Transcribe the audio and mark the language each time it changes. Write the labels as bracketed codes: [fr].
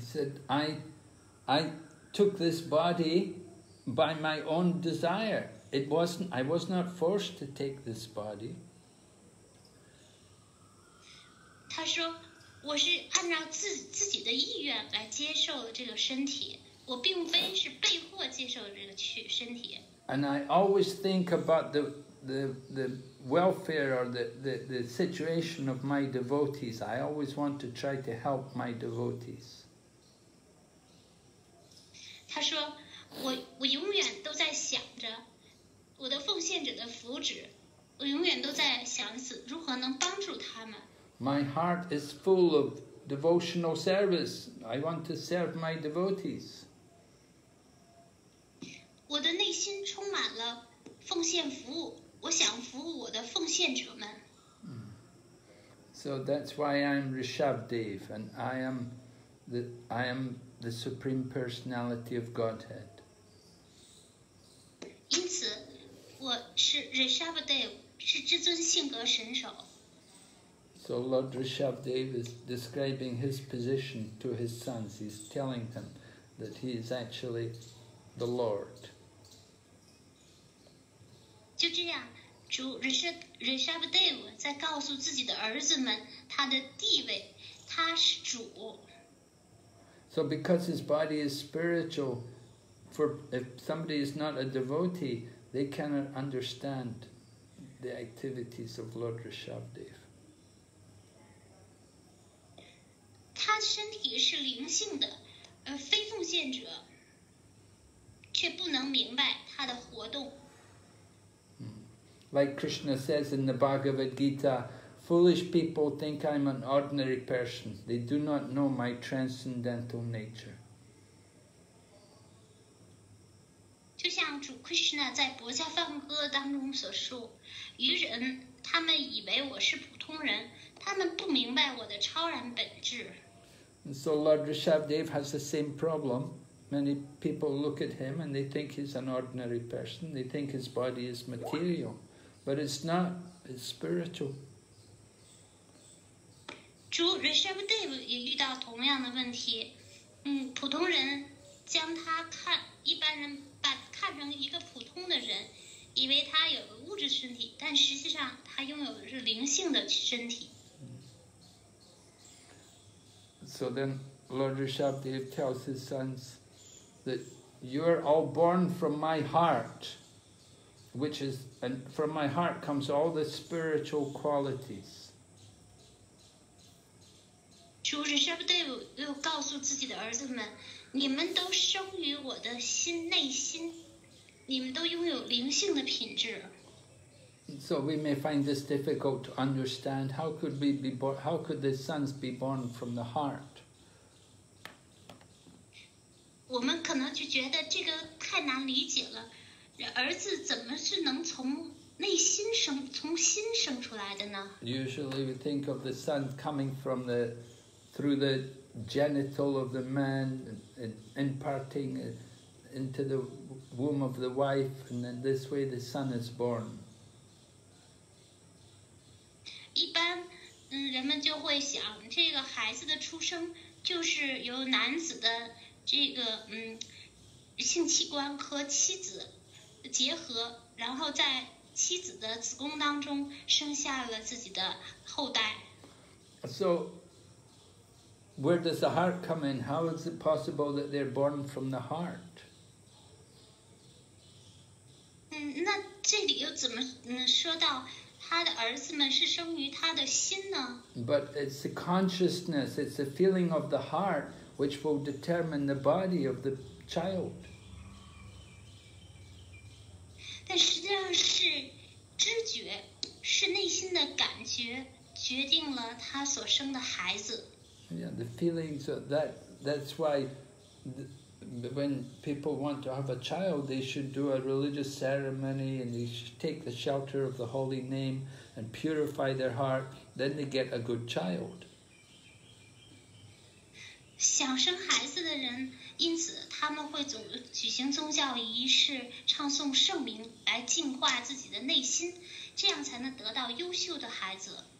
[en] said, I took this body by my own desire. I was not forced to take this body. [zh] 他说我是按照自己的意愿来接受了这个身体，我并非是被迫接受这个身体。 [en] And I always think about the welfare or the situation of my devotees. I always want to try to help my devotees. [zh] 他说我永远都在想着我的奉献者的福祉，我永远都在想如何能帮助他们。 [en] My heart is full of devotional service. I want to serve my devotees. [zh] 我的内心充满了奉献服务，我想服务我的奉献者们。 [en] So So that's why I'm Rishabdev, and I am the Supreme Personality of Godhead. [zh] 因此，我是 Rishabdev， 是至尊性格神手。 [en] So Lord Rishabdev is describing his position to his sons. He's telling them that he is actually the Lord. [zh] 就这样，主 Rishabdev 在告诉自己的儿子们他的地位，他是主。 [en] So because his body is spiritual, for if somebody is not a devotee, they cannot understand the activities of Lord Rishabdev. [zh] 他身体是灵性的，非奉献者，却不能明白他的活动。 [en] Like Krishna says in the Bhagavad Gita, foolish people think I'm an ordinary person. They do not know my transcendental nature. [zh] 就像主 Krishna 在《薄伽梵歌》当中所说，愚人，他们以为我是普通人，他们不明白我的超然本质。 [en] And so Lord Rishabdev has the same problem. Many people look at him and they think he's an ordinary person. They think his body is material. But it's not, it's spiritual. [zh] 主 Rishabdev 也遇到同样的问题，普通人将他看，一般人把看成一个普通的人，以为他有个物质身体，但实际上他拥有的是灵性的身体。 [en] So then Lord Rishabdev tells his sons that you are all born from my heart, which is, and from my heart comes all the spiritual qualities. [zh] 主 Rishabdev 又告诉自己的儿子们，你们都生于我的心内心，你们都拥有灵性的品质。 [en] So we may find this difficult to understand. How could we be born, how could the sons be born from the heart? [zh] 我们可能就觉得这个太难理解了，儿子怎么是能从内心生，从心生出来的呢？ [en] Usually we think of the son coming from the, through the genital of the man and imparting into the womb of the wife, and then this way the son is born. [zh] 一般，人们就会想，这个孩子的出生就是由男子的这个性器官和妻子结合，然后在妻子的子宫当中生下了自己的后代。 [en] So, where does the heart come in? How is it possible that they're born from the heart? [zh] 那这里又怎么说到他的儿子们是生于他的心呢？ [en] But it's the consciousness, it's the feeling of the heart which will determine the body of the child. [zh] 但实际上是知觉，是内心的感觉决定了他所生的孩子。 [en] Yeah, the feelings of that's why when people want to have a child, they should do a religious ceremony and they should take the shelter of the holy name and purify their heart, then they get a good child. [zh] 想生孩子的人，因此他们会举行宗教仪式，唱诵圣名来净化自己的内心，这样才能得到优秀的孩子。